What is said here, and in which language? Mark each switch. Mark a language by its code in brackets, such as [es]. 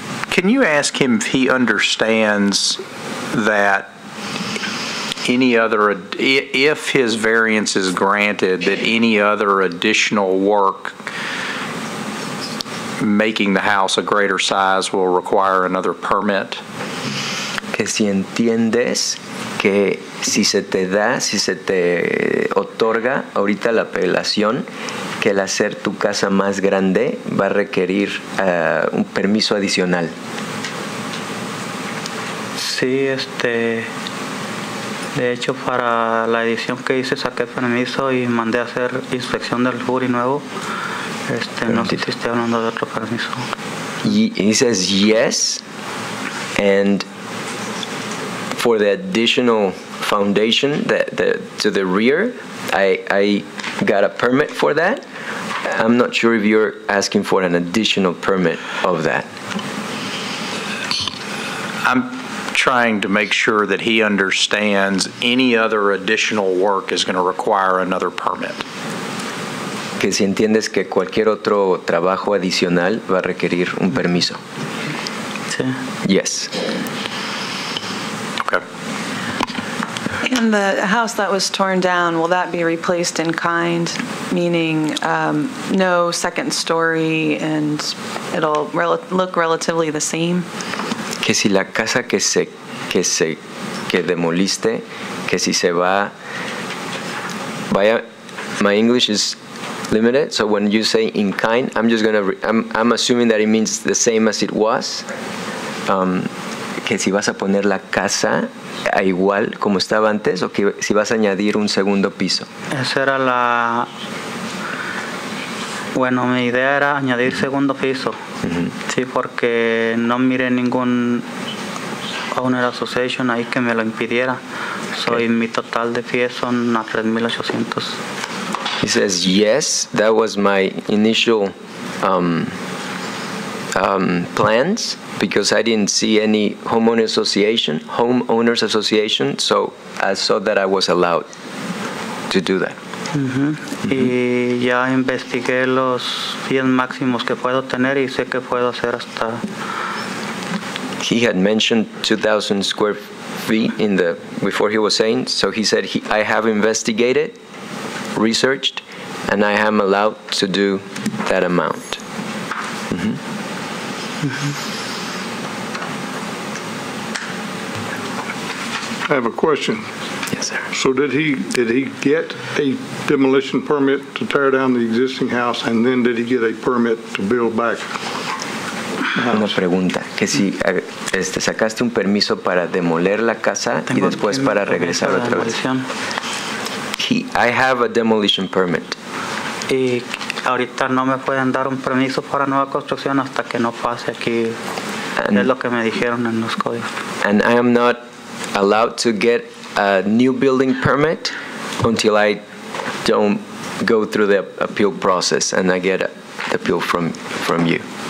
[en] Can you ask him if he understands that any other, if his variance is granted, that any other additional work making the house a greater size will require another permit? [es] Que si entiendes que si se te da, si se te otorga ahorita la apelación, que el hacer tu casa más grande va a requerir un permiso adicional. Sí, de hecho para la edición que hice saqué permiso y mandé a hacer inspección del FURI nuevo. No sé si estoy hablando de otro permiso. [en] He says yes, and for the additional foundation to the rear, I got a permit for that. I'm not sure if you're asking for an additional permit of that. I'm trying to make sure that he understands any other additional work is going to require another permit. [es] Que si entiendes que cualquier otro trabajo adicional va a requerir un permiso. Sí. [en] Yes. And the house that was torn down, will that be replaced in kind, meaning no second story and it'll look relatively the same? [es] Que si la casa que se que demoliste, que si se va, vaya, [en] my English is limited, so when you say in kind, I'm just going to, I'm assuming that it means the same as it was, [es] que si vas a poner la casa a igual como estaba antes, o que si vas a añadir un segundo piso. Esa era la, bueno, mi idea era añadir segundo piso, mm-hmm. sí, porque no miré ningún owner association ahí que me lo impidiera. Okay. So, mi total de pies son a 3,800. [en] He says, yes, that was my initial plans, because I didn't see any homeowners association, so I saw that I was allowed to do that. [es] Mm-hmm. Y ya investigué los pies máximos que puedo tener y sé que puedo hacer hasta... [en] He had mentioned 2,000 square feet in the before he was saying, so he said, I have investigated, researched, and I am allowed to do that amount. Mm-hmm. Mm-hmm. I have a question. Yes, sir. So did he get a demolition permit to tear down the existing house, and then did he get a permit to build back? [es] Una pregunta, que si sacaste un permiso para demoler la casa y después para regresar otra vez. [en] I have a demolition permit. [es] Y ahorita no me pueden dar un permiso para nueva construcción hasta que no pase aquí. And es lo que me dijeron en los códigos. [en] And I am not allowed to get a new building permit until I don't go through the appeal process and I get the appeal from you.